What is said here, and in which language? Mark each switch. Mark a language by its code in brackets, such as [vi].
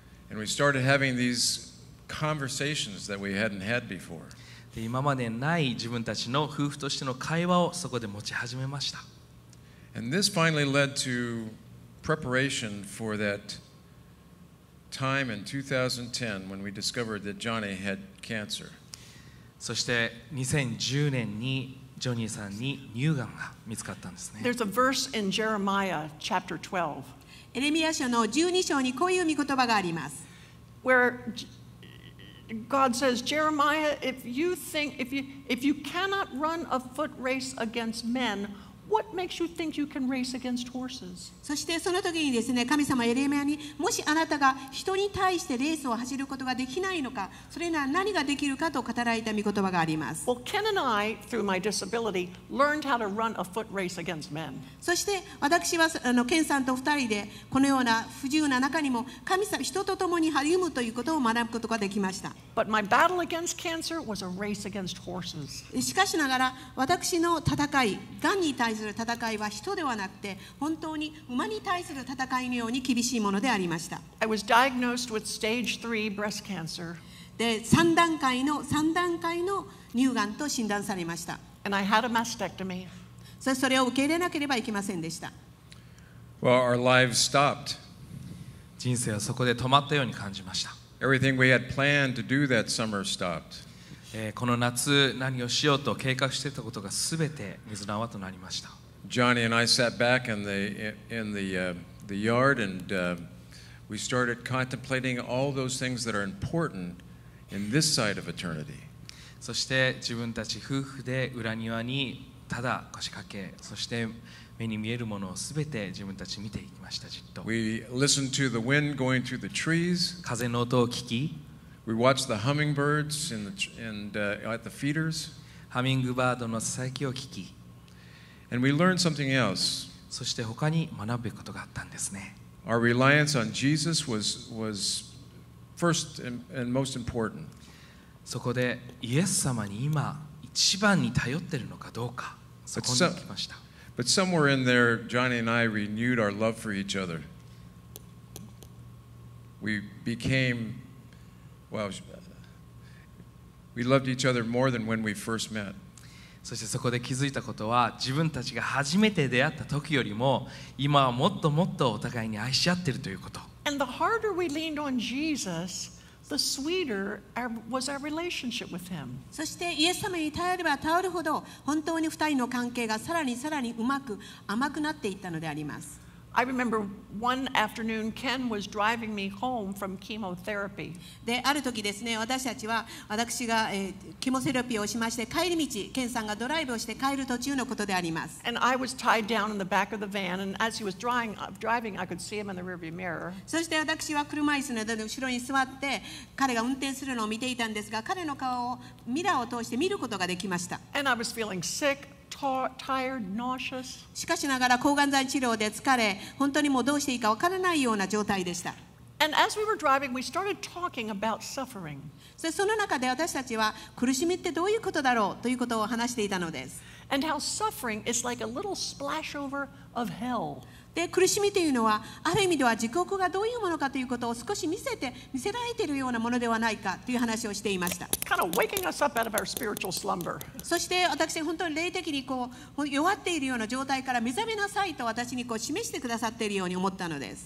[en] And we started having these conversations that we hadn't had before. [ja] で、今までない自分たちの夫婦としての会話をそこで持ち始めました。 [en] And this finally led to preparation for thatTime in 2010 when we discovered that Johnny had cancer. [ja] そして2010年にジョニーさんに乳がんが見つかったんですね。 [en] There's a verse in Jeremiah chapter 12. [ja] エレミヤ書の12章にこういう御言葉があります。 [en] Where God says, Jeremiah, if you cannot run a foot race against men,What makes you think you can race against horses? [ja] そしてその時にですね、神様エレミヤに、もしあなたが人に対してレースを走ることができないのか、それなら何ができるかと語られた御言葉があります。 [en] Well, Ken and I, through my disability, learned how to run a foot race against men. [ja] そして私はケンさんと二人でこのような不自由な中にも神様人と共に励むということを学ぶことができました。 [en] But my battle against cancer was a race against horses. [ja] しかしながら私の戦い、がんに対対する戦いは人ではなくて本当に馬に対する戦いのように厳しいものでありました。 [en] I was diagnosed with stage 3 breast cancer. [ja] で3段階の乳がんと診断されました。 [en] And I had a mastectomy. [ja] それを受け入れなければいけませんでした。 [en] Well, our lives stopped. [ja] 人生はそこで止まったように感じました。 [en] Everything we had planned to do that summer stopped. [ja] この夏何をしようと計画していたことがすべて水の泡となりました。 [en] Johnny and I sat back in the yard and we started contemplating all those things that are important in this side of eternity. [ja] そして自分たち夫婦で裏庭にただ腰掛け、そして目に見えるものをすべて自分たち見ていきました、じっと。 [en] We listened to the wind going through the trees. [ja] 風の音を聞き。 [en] We watched the hummingbirds at the feeders. [ja] ハミングバードのささやきを聞き。 [en] And we learned something else. [ja] そして他に学ぶことがあったんですね。 [en] Our reliance on Jesus was first and most important. [ja] そこでイエス様に今一番に頼ってるのかどうか、そこに聞きました。 [en] But somewhere in there, Johnny and I renewed our love for each other. We became, well, we loved each other more than when we first met. [ja] そしてそこで気づいたことは、自分たちが初めて出会った時よりも、今はもっともっとお互いに愛し合ってるということ。 [en] And the harder we leaned on Jesus,The sweeter was our relationship with him. [ja] そしてイエス様に頼れば頼るほど本当に二人の関係がさらにさらにうまく甘くなっていったのであります。 [en] I remember one afternoon Ken was driving me home from chemotherapy. [ja] で、ある時ですね、私たちは私が、キモセラピーをしまして帰り道、ケンさんがドライブをして帰る途中のことであります。 [en] And I was tied down in the back of the van, and as he was driving, I could see him in the rearview mirror. [ja] そして私は車椅子の後ろに座って彼が運転するのを見ていたんですが、彼の顔をミラーを通して見ることができました。 [en] And I was feeling sick. Tired, nauseous. [ja] しかしながら抗がん剤治療で疲れ、本当にもうどうしていいか分からないような状態でした。 [en] And as we were driving, we started talking about suffering. [ja] その中で私たちは苦しみってどういうことだろうということを話していたのです。 [en] And how suffering is like a little splash over of hell. [ja] で、苦しみというのはある意味では地獄がどういうものかということを少し見せられているようなものではないかという話をしていました。 [en] Kind of waking us up out of our spiritual slumber. [ja] そして私本当に霊的にこう弱っているような状態から目覚めなさいと私にこう示してくださっているように思ったのです。